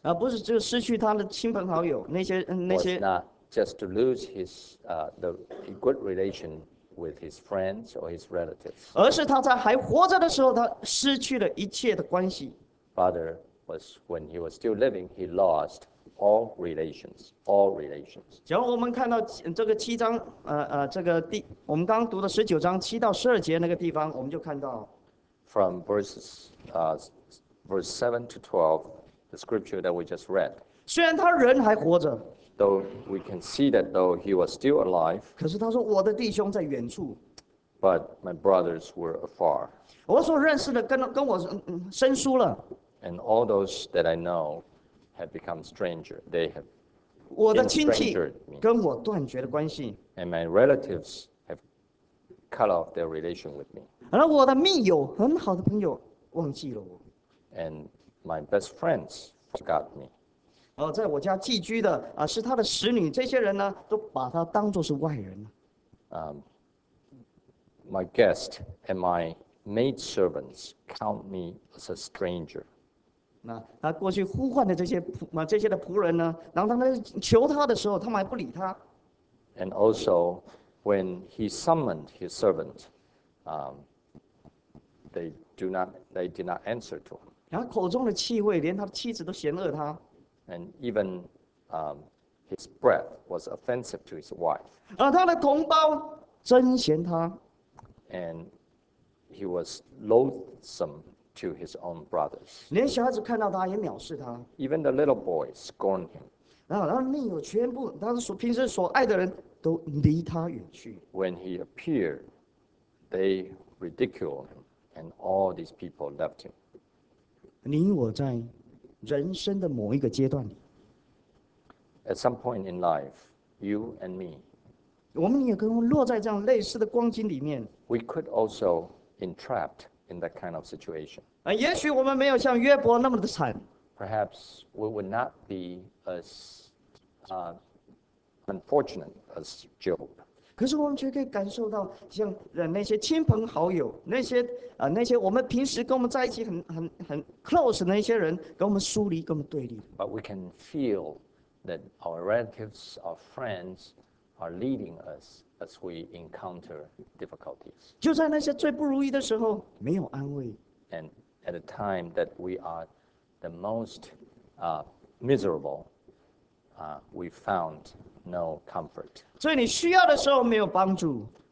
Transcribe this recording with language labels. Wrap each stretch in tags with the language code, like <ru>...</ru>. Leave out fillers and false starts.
<zh>啊，不是，就失去他的亲朋好友，那些。</zh> <en>Was not just to lose his the good relation with his friends or his relatives.</en> <zh>而是他在还活着的时候，他失去了一切的关系。</zh> <en>Father was when he was still living, he lost all relations.</en> <zh>假如我们看到这个七章，这个第我们刚读的十九章七到十二节那个地方，我们就看到。</zh> <en>From verses, Verse 7 to 12, the scripture that we just read.</en> <zh>虽然他人还活着,</zh> <en>though we can see that though he was still alive,</en> <zh>可是他说我的弟兄在远处,</zh> <en>but my brothers were afar.</en> <zh>我所认识的跟我生疏了,</zh> <en>and all those that I know have become stranger. They have estranged me.</en> <zh>跟我断绝的关系,</zh> <en>and my relatives have cut off their relation with me.</en> <zh>而我的密友很好的朋友忘记了我。</zh> <en>And my best friends forgot me.</en> <zh>哦，在我家寄居的啊，是他的使女。这些人呢，都把他当作是外人了。</zh> <en>My guest and my maid servants count me as a stranger.</en> <zh>那他过去呼唤的这些的仆人呢，然后他们求他的时候，他们还不理他。</zh> <en>And also, when he summoned his servant, they did not answer to him.</en> <zh>然后口中的气味，连他的妻子都嫌恶他。</zh> <en>And even, his breath was offensive to his wife.</en> <zh>啊，他的同胞憎嫌他。</zh> <en>And he was loathsome to his own brothers.</en> <zh>连小孩子看到他也藐视他。</zh> <en>Even the little boys scorned him.</en> <zh>然后密友全部，他所平时所爱的人都离他远去。</zh> <en>When he appeared, they ridiculed him, and all these people left him.</en> <zh>你我在人生的某一个阶段里</zh> <en>，At some point in life, you and me,</en> <zh>我们也可能落在这样类似的光景里面。</zh> <en>We could also entrapped in that kind of situation.</en> <zh>也许我们没有像约伯那么的惨。</zh> <en>Perhaps we would not be as unfortunate as Job.</en> <zh>可是我们却可以感受到，像那些亲朋好友，那些我们平时跟我们在一起很 close 的那些人，跟我们疏离，跟我们对立。</zh> <en>But we can feel that our relatives, our friends, are leading us as we encounter difficulties.</en> <zh>就在那些最不如意的时候，没有安慰。</zh> <en>And at a time that we are the most miserable, we found no comfort.</en> <zh>所以你需要的时候没有帮助。</zh>